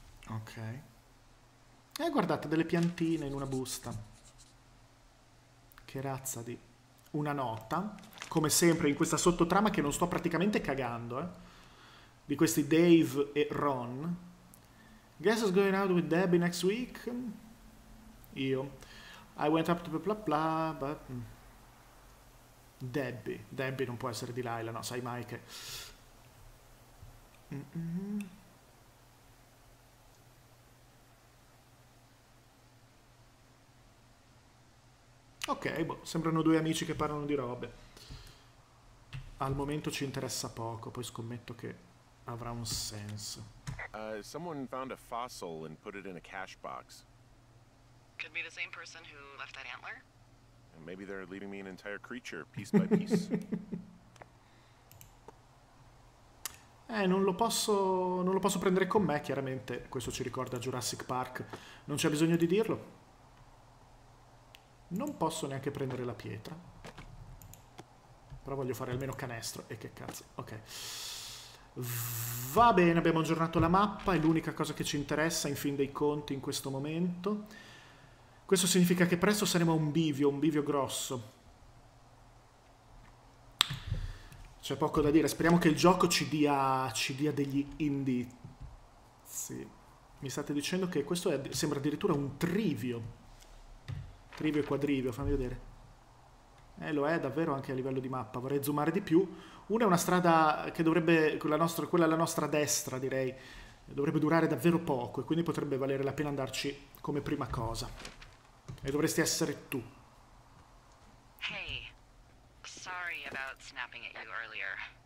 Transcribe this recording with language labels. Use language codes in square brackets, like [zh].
[it] Ok. Guardate, delle piantine in una busta. Che razza di una nota, come sempre in questa sottotrama che non sto praticamente cagando, di questi Dave e Ron. [en] Guess who's going out with Debbie next week? [it] Io. [en] I went up to bla bla bla, but Debbie [it] non può essere Delilah, no, sai mai che. Ok, boh, sembrano due amici che parlano di robe. Al momento ci interessa poco, poi scommetto che avrà un senso. [en] Someone found a fossil and put it in a cash box. Could be the same person who left that antler. And maybe they're leaving me an entire creature, piece by piece. [it] non lo posso prendere con me, chiaramente. Questo ci ricorda Jurassic Park. Non c'è bisogno di dirlo. Non posso neanche prendere la pietra. Però voglio fare almeno canestro. E che cazzo. Ok. Va bene, abbiamo aggiornato la mappa. È l'unica cosa che ci interessa in fin dei conti in questo momento. Questo significa che presto saremo un bivio grosso. C'è poco da dire, speriamo che il gioco ci dia degli indizi. Sì. Mi state dicendo che questo sembra addirittura un trivio. Trivio e quadrivio, fammi vedere. Lo è davvero anche a livello di mappa, vorrei zoomare di più. Una è una strada che dovrebbe, quella alla nostra destra, direi, dovrebbe durare davvero poco e quindi potrebbe valere la pena andarci come prima cosa. E dovresti essere tu. [en] Hey, sorry about snapping at you earlier.